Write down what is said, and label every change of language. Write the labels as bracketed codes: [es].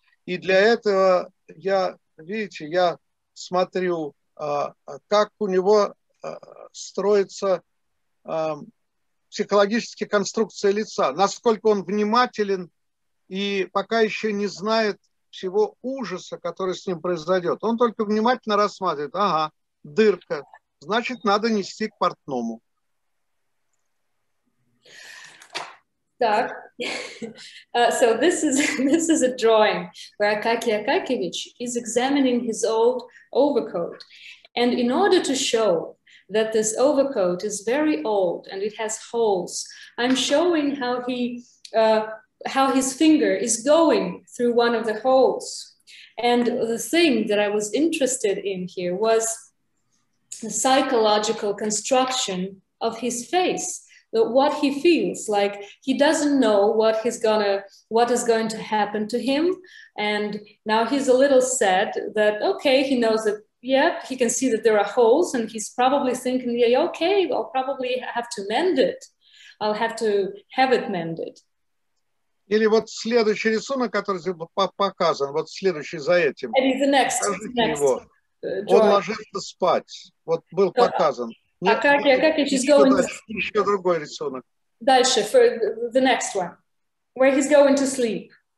[ru] И для этого я, видите, я смотрю, как у него строится психологическая конструкция лица, насколько он внимателен и пока еще не знает всего ужаса, который с ним произойдет. Он только внимательно рассматривает, ага, дырка. Значит, надо нести к портному. Так. [en] So this is a drawing where Akaki Akakievich is examining his old overcoat. And in order to show that this overcoat is very old and it has holes. I'm showing how his finger is going through one of the holes. And the thing that I was interested in here was the psychological construction of his face, that what he feels like he doesn't know what is going to happen to him. And now he's a little sad that, okay, he knows that, yeah, he can see that there are holes, and he's probably thinking, yeah, okay, I'll probably have to mend it. I'll have to have it mended. [ru] Или вот следующий рисунок, который показан, вот следующий за этим. [en] And the next, [ru] Он ложится спать. Вот был показан. А как я, [en] he's going [ru] to... Еще другой рисунок. Дальше, [en] for the next one. Where he's going to sleep.